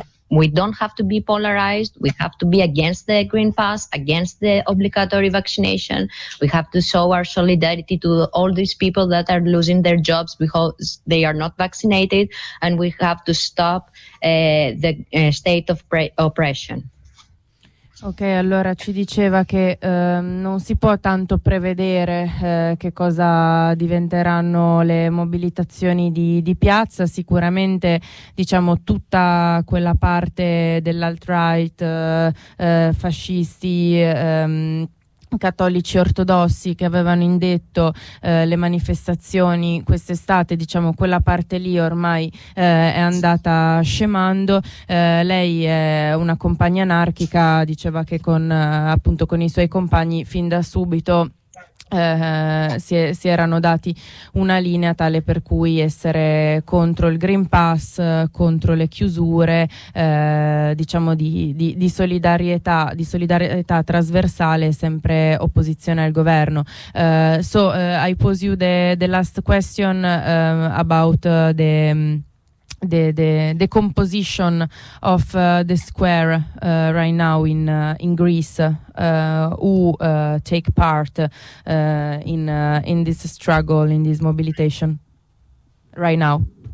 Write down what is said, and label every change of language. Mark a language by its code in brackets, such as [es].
[en] we don't have to be polarized, we have to be against the Green Pass, against the obligatory vaccination, we have to show our solidarity to all these people that are losing their jobs because they are not vaccinated, and we have to stop the state of oppression. [it] Ok, allora ci diceva che non si può tanto prevedere che cosa diventeranno le mobilitazioni di piazza. Sicuramente, diciamo, tutta quella parte dell'alt-right, fascisti, cattolici ortodossi che avevano indetto le manifestazioni quest'estate, diciamo quella parte lì ormai è andata scemando. Lei è una compagna anarchica, diceva che con i suoi compagni fin da subito si erano dati una linea tale per cui essere contro il Green Pass, contro le chiusure, di solidarietà trasversale, sempre opposizione al governo. [en] So I pose you the last question about the composition of the square right now in Greece, who take part in this struggle, in this mobilization right now?